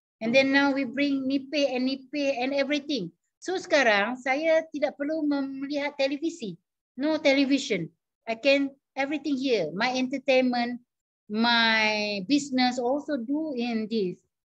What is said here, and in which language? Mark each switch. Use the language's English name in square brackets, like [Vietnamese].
[English] And then now we bring nipih and nipih and everything. [Indonesian] So sekarang saya tidak perlu melihat televisi. [English] No television. I can everything here. My entertainment, my business also do in this.